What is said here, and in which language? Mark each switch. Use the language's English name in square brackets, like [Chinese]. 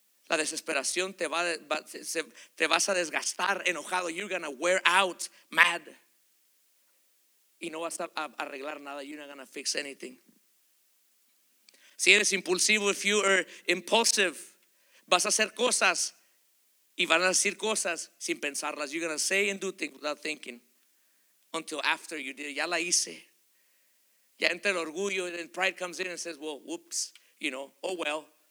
[Spanish] La desesperación te vas a desgastar enojado. [English] You're gonna wear out mad. [Spanish] Y no vas a arreglar nada. [English] You're not gonna fix anything. [Spanish] Si eres impulsivo, [English] if you are impulsive, [Spanish] vas a hacer cosas y van a decir cosas sin pensarlas. [English] You're gonna say and do things without thinking until after you did it. [Spanish] Ya la hice. Ya entra el orgullo [English] and then pride comes in and says, well, whoops, you know, oh well.